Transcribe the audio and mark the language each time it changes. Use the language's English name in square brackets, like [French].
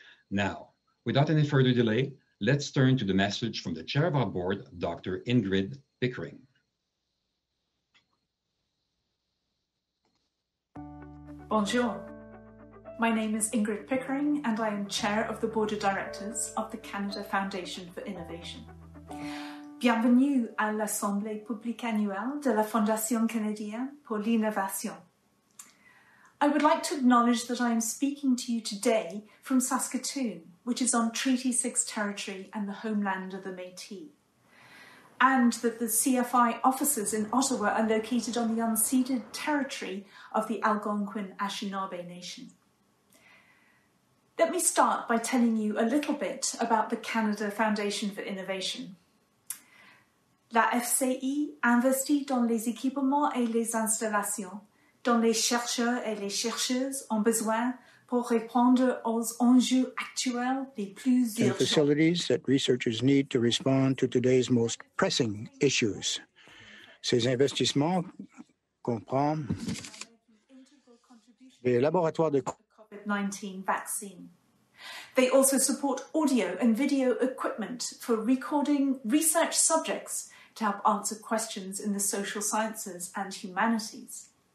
[English] Now, without any further delay, let's turn to the message from the chair of our board, Dr. Ingrid Pickering. [French] Bonjour. [English] My name is Ingrid Pickering, and I am chair of the board of directors of the Canada Foundation for Innovation. [French] Bienvenue à l'Assemblée publique annuelle de la Fondation canadienne pour l'innovation. [English] I would like to acknowledge that I am speaking to you today from Saskatoon, which is on Treaty 6 territory and the homeland of the Métis, and that the CFI offices in Ottawa are located on the unceded territory of the Algonquin Anishinaabe Nation. Let me start by telling you a little bit about the Canada Foundation for Innovation. [French] La FCI investit dans les équipements et les installations dont les chercheurs et les chercheuses ont besoin pour répondre aux enjeux actuels les plus urgents. [English] The facilities that researchers need to respond to today's most pressing issues. [French] Ces investissements comprennent les laboratoires de [English] COVID-19 vaccine. They also support audio and video equipment for recording research subjects to help answer questions in the social sciences and humanities.